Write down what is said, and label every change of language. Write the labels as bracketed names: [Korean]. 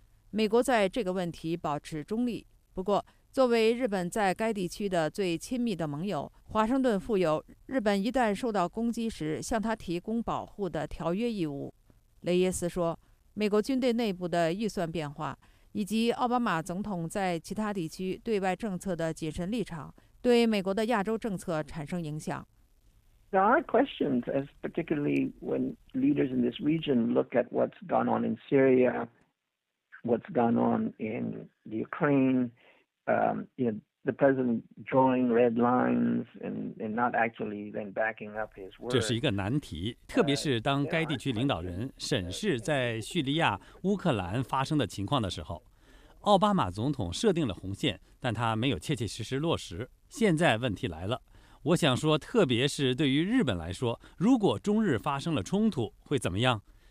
[Chinese] 美国在这个问题保持中立，不过作为日本在该地区的最亲密的盟友，华盛顿负有日本一旦受到攻击时向他提供保护的条约义务。雷耶斯说，美国军队内部的预算变化以及奥巴马总统在其他地区对外政策的谨慎立场，对美国的亚洲政策产生影响。 [English] There are questions, as particularly when leaders in this region look at what's gone on in Syria, what's gone on in the Ukraine. You know, the president drawing red lines and not actually then backing up his words. [Chinese] 这是一个难题，特别是当该地区领导人审视在叙利亚、乌克兰发生的情况的时候，奥巴马总统设定了红线，但他没有切切实实落实。现在问题来了，我想说，特别是对于日本来说，如果中日发生了冲突会怎么样？